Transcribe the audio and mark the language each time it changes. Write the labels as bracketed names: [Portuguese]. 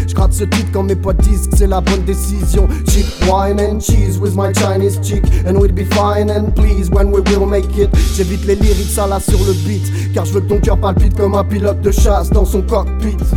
[French] Je gratte ce titre quand mes potes disent que c'est la bonne décision. [English] Cheap wine and cheese with my Chinese chick. And we'll be fine and please when we will make it. [French] J'évite les lyrics à la sur le beat. Car je veux que ton cœur palpite comme un pilote de chasse dans son cockpit.